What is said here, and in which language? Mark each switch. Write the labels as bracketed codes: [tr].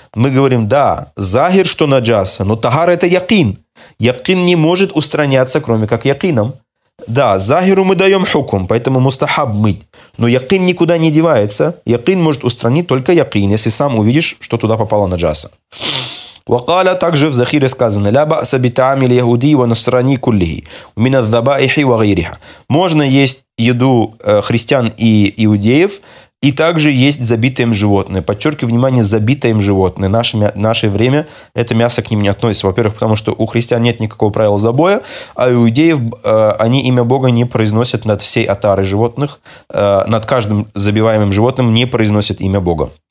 [ru] Мы говорим, да, ظاهر, что наджаса, но тахара – это якин. Якин не может устраняться, кроме как якином. Да, ظاهر мы даем хукм, поэтому мустахаб мыть. Но якин никуда не девается. Якин может устранить только якин, если сам увидишь, что туда попало наджаса. [ar] وقال, [ru] также в Захире сказано, [ar] لا بأس بطعام اليهود ونصراني كله من الذبائح وغيرها. [ru] Можно есть еду христиан и иудеев, и также есть забитое им животное. Подчеркиваю внимание, забитое им животное. Наше время это мясо к ним не относится. Во-первых, потому что у христиан нет никакого правила забоя, а у иудеев они имя Бога не произносят над всей отарой животных, над каждым забиваемым животным не произносят имя Бога.